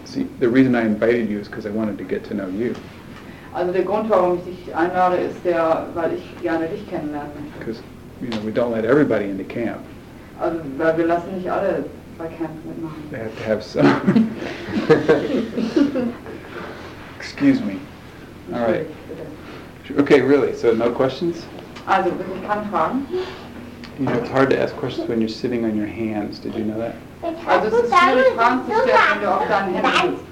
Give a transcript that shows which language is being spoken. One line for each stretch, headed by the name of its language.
English: See, the reason I invited you is because I wanted to get to know you.
German: Also der Grund, warum ich dich einlade, ist der, weil ich gerne dich kennenlernen möchte.
English: Because, you know, we don't let everybody into camp.
German: Also, weil wir lassen nicht alle bei Camp mitmachen.
English: They have to have some. Excuse me. All right. Okay, really, so no questions?
German: Also, wirklich keine Fragen?
English: You know, it's hard to ask questions when you're sitting on your hands. Did you know that?
German: Also, es ist schwierig, Fragen zu stellen, wenn du auf deinen Händen sitzt.